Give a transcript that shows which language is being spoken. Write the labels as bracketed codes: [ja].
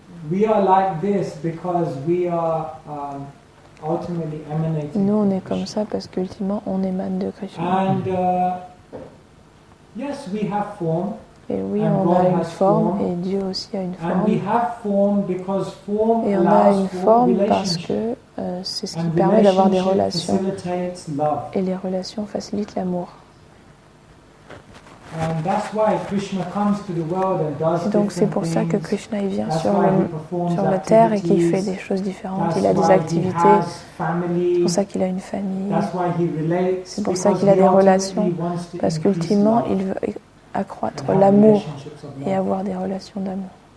[en] We are like this because we are ultimately emanating. [fr] Nous, on est comme ça parce qu'ultimement, on émane de Krishna. [en] And yes, we have form. [fr] Et oui, on a une forme, et Dieu aussi a une forme. [en] And we have form because form. [fr] Et on a une forme parce que c'est ce qui permet d'avoir des relations. Et les relations facilitent l'amour. [en] And that's why Krishna comes to the world and does. [fr] Et donc c'est pour ça que Krishna il vient sur la terre et qu'il fait des choses différentes. Il a des activités. C'est pour ça qu'il a une famille. C'est pour ça qu'il a des relations. Parce qu'ultimement il veut accroître l'amour et avoir des relations d'amour.